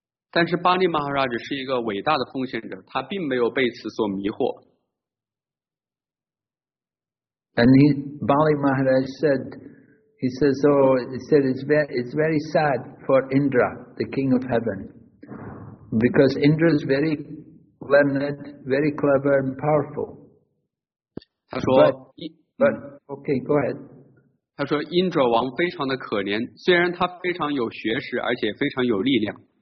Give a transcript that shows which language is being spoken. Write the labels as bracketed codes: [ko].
[zh] 但是巴利马哈拉吉是一个伟大的奉献者，他并没有被此所迷惑。 [en] And Bali Maharaj said, it's very sad for Indra, the king of heaven, because Indra is very learned, very clever and powerful. [zh] 他说 [en] go ahead. [zh] 他说印度王非常的可怜，虽然他非常有学识而且非常有力量。